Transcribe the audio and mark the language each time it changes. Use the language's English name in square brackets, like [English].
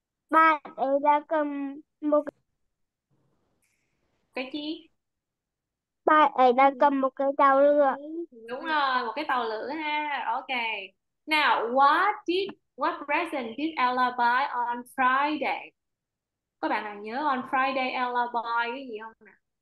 [Vietnamese] bạn ấy đã cầm một Cái gì? bạn ấy đã cầm một cái tàu lửa. Đúng rồi, một cái tàu lửa ha. Ok. [English] Now, what present did Ella buy on Friday? [Vietnamese] Có bạn nào nhớ [English] on Friday Ella buy [Vietnamese] cái gì không nè?